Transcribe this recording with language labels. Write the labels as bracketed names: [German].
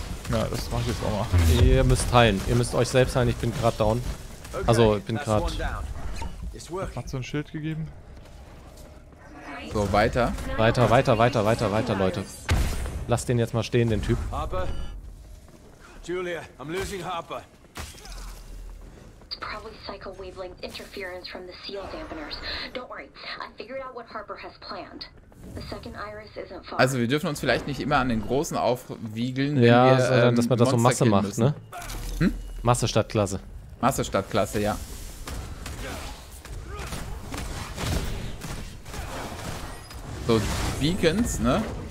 [German] Ja, das mache ich jetzt auch mal. Ihr müsst heilen. Ihr müsst euch selbst heilen. Ich bin gerade down. Also, ich bin gerade. Hat so ein Schild gegeben. So, weiter. Weiter, weiter, weiter, weiter, weiter, Leute. Lass den jetzt mal stehen, den Typ. [English] Harper. Julia, I'm losing Harper. It's probably cycle wavelength interference from the seal dampeners. Don't worry, I figured out what Harper has planned. The second iris isn't far. [German] Also, wir dürfen uns vielleicht nicht immer an den großen aufwiegeln, ja, wenn wir, dass man das Monster so Masse macht, müssen. Ne? Hm? Masse statt Klasse. Masse statt Klasse, ja. So, Beacons, ne?